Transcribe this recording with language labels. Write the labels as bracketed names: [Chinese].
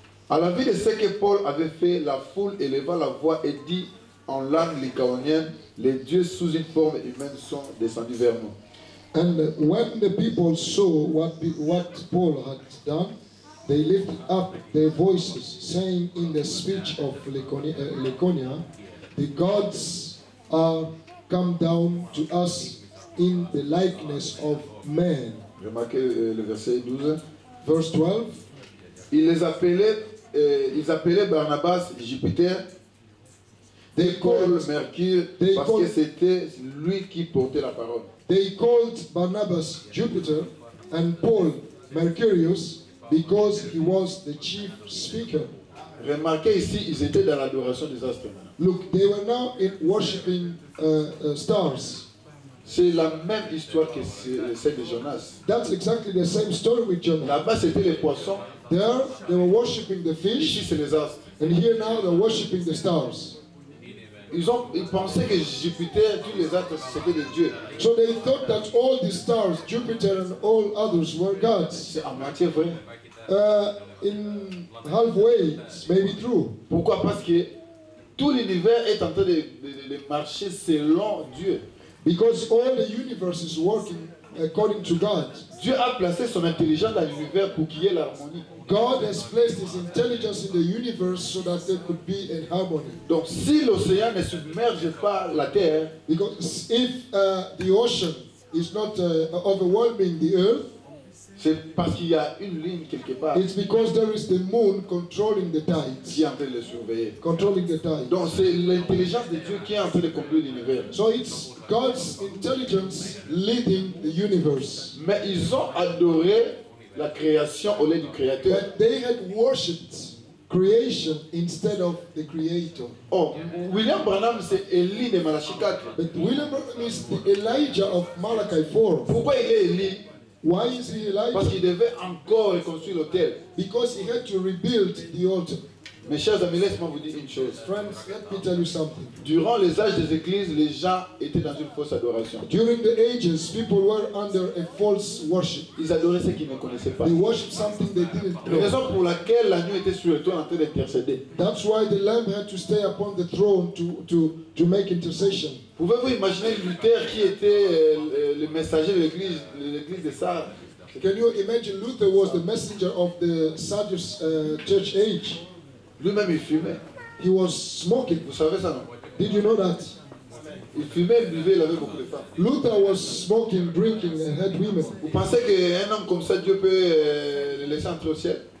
[French] À la vue de ce que Paul avait fait, la foule éleva la voix et dit en langue lycaonienne, les dieux sous une forme humaine sont descendus vers nous. [English] And when the people saw what Paul had done, They lifted up their voices, saying in the speech of Laconia, the gods are come down to us in the likeness of man. [French] Remarquez le verset 12. [English] Verse 12. [French] Ils appelaient Barnabas Jupiter. [English] They called [French] Mercure parce que c'était lui qui portait la parole. [English] They called Barnabas Jupiter and Paul Mercurius because he was the chief speaker. [French] Remarquez ici, ils étaient dans l'adoration des astres. [English] Look, they were now in worshiping stars. [French] C'est la même histoire que celle de Jonas. [English] That's exactly the same story with Jonas. [French] Là-bas, c'était les poissons. [English] There, they were worshiping the fish. [French] Ici, c'est les astres. [English] And here now, they're worshiping the stars. [French] Ils pensaient que Jupiter et tous les astres c'était des dieux. [English] So they thought that all the stars, Jupiter and all others, were gods. [French] C'est à moitié vrai. [English] In halfway, it's maybe true. [French] Pourquoi? Parce que tout l'univers est en train de marcher selon Dieu. [English] Because all the universe is working according to God. [French] Dieu a placé son intelligence dans l'univers pour qu'il y ait l'harmonie. [English] God has placed his intelligence in the universe so that there could be a harmony. [French] Donc si l'océan ne submerge pas la terre, [English] because if the ocean is not overwhelming the earth, [French] c'est parce qu'il y a une ligne quelque part. [English] It's because there is the moon controlling the tides. [French] Qui est en train de le surveiller. [English] Controlling the tides. [French] Donc c'est l'intelligence de Dieu qui est en train de contrôler l'univers. [English] So it's God's intelligence leading the universe. [French] Mais ils ont adoré la création au lieu du créateur. [English] But they had worshipped creation instead of the creator. [French] Oh, William Branham c'est Élie de Malachi 4. [English] But William Branham is the Elijah of Malachi 4. [French] Pourquoi il est Élie? [English] Why is he Elijah? [French] Parce qu'il devait encore reconstruire l'autel. [English] Because he had to rebuild the altar. [French] Mes chers amis, laissez-moi vous dire une chose. [English] Friends, let me tell you something. [French] Durant les âges des églises, les gens étaient dans une fausse adoration. [English] During the ages, people were under a false worship. [French] Ils adoraient ce qu'ils ne connaissaient pas. [English] They worshipped something they didn't know. [French] La raison pour laquelle l'agneau était sur le trône en train d'intercéder. [English] That's why the lamb had to stay upon the throne to make intercession. [French] Pouvez-vous imaginer Luther qui était le messager de l'église, de Sardes? [English] Can you imagine Luther was the messenger of the Sardis church age? [French] Lui-même il fumait. [English] He was smoking. [French] Vous savez ça non? [English] Did you know that? [French] Il fumait, il buvait, il avait beaucoup de femmes. [English] Luther was smoking, drinking, and had women. [French] Vous pensez qu'un homme comme ça Dieu peut le laisser entrer au ciel?